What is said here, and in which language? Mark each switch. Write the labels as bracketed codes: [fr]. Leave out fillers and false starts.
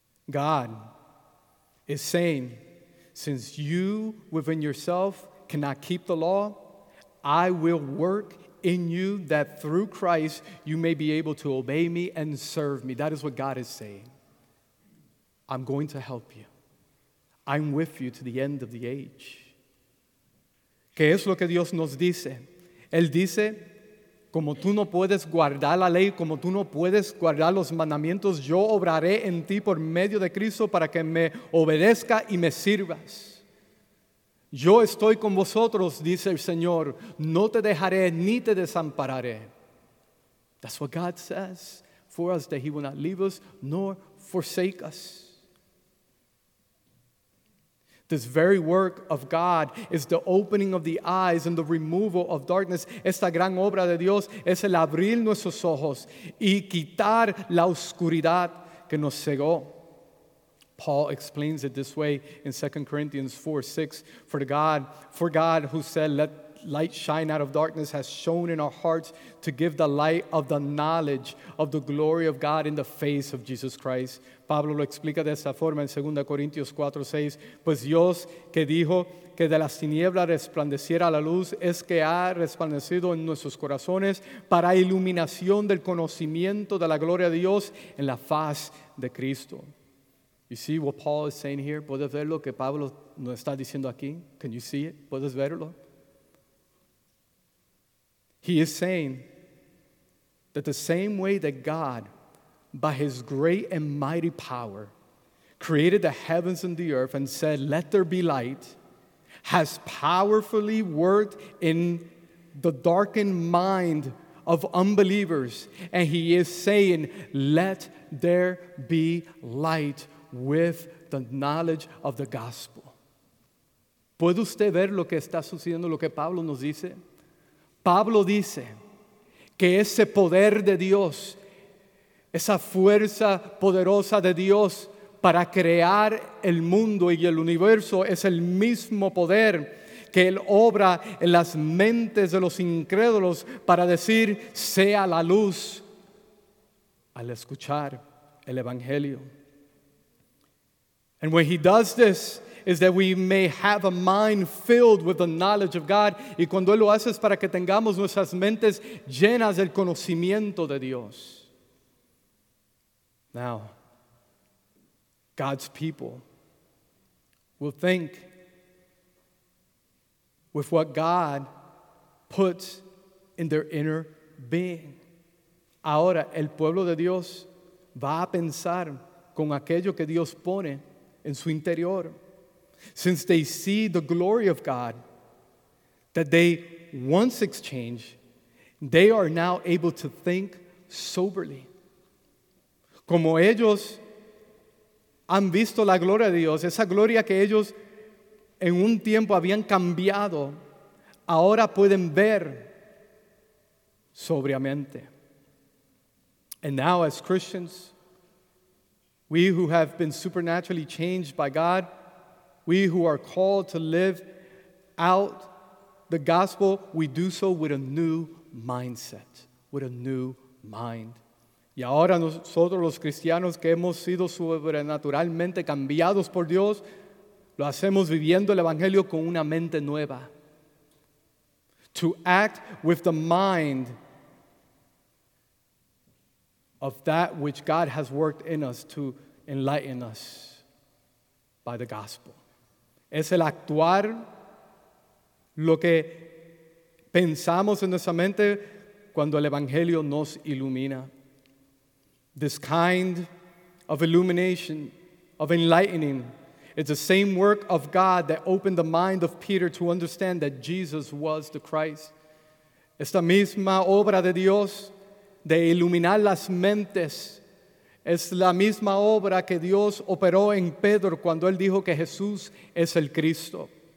[en] God is saying, since you within yourself cannot keep the law, I will work in you that through Christ you may be able to obey me and serve me. That is what God is saying. I'm going to help you. I'm with you to the end of the age. [es] ¿Qué es lo que Dios nos dice? Él dice, como tú no puedes guardar la ley, como tú no puedes guardar los mandamientos, yo obraré en ti por medio de Cristo para que me obedezca y me sirvas. Yo estoy con vosotros, dice el Señor, no te dejaré ni te desampararé. [en] That's what God says for us, that he will not leave us nor forsake us. This very work of God is the opening of the eyes and the removal of darkness. [es] Esta gran obra de Dios es el abrir nuestros ojos y quitar la oscuridad que nos cegó. [en] Paul explains it this way in 2 Corinthians 4:6. For God who said, let light shine out of darkness, has shone in our hearts to give the light of the knowledge of the glory of God in the face of Jesus Christ. [es] Pablo lo explica de esta forma en 2 Corintios 4:6. Pues Dios que dijo que de las tinieblas resplandeciera la luz, es que ha resplandecido en nuestros corazones para iluminación del conocimiento de la gloria de Dios en la faz de Cristo. [en] You see what Paul is saying here? [es] ¿Puedes ver lo que Pablo nos está diciendo aquí? [en] Can you see it? [es] ¿Puedes verlo? [en] He is saying that the same way that God, by his great and mighty power, created the heavens and the earth and said, let there be light, has powerfully worked in the darkened mind of unbelievers. And he is saying, let there be light with the knowledge of the gospel. [es] ¿Puede usted ver lo que está sucediendo, lo que Pablo nos dice? Pablo dice que ese poder de Dios, esa fuerza poderosa de Dios para crear el mundo y el universo, es el mismo poder que él obra en las mentes de los incrédulos para decir, sea la luz, al escuchar el Evangelio. [en] And when he does this, is that we may have a mind filled with the knowledge of God. [es] Y cuando él lo hace es para que tengamos nuestras mentes llenas del conocimiento de Dios. [en] Now, God's people will think with what God puts in their inner being. [es] Ahora, el pueblo de Dios va a pensar con aquello que Dios pone en su interior. [en] Since they see the glory of God that they once exchanged, they are now able to think soberly. [es] Como ellos han visto la gloria de Dios, esa gloria que ellos en un tiempo habían cambiado, ahora pueden ver sobriamente. [en] And now as Christians, we who have been supernaturally changed by God, we who are called to live out the gospel, we do so with a new mindset, with a new mind. [es] Y ahora nosotros los cristianos que hemos sido sobrenaturalmente cambiados por Dios, lo hacemos viviendo el Evangelio con una mente nueva. [en] To act with the mind of that which God has worked in us to enlighten us by the gospel. [es] Es el actuar lo que pensamos en nuestra mente cuando el Evangelio nos ilumina. [en] This kind of illumination, of enlightening, it's the same work of God that opened the mind of Peter to understand that Jesus was the Christ. [es] Esta misma obra de Dios de iluminar las mentes es la misma obra que Dios operó en Pedro cuando él dijo que Jesús es el Cristo.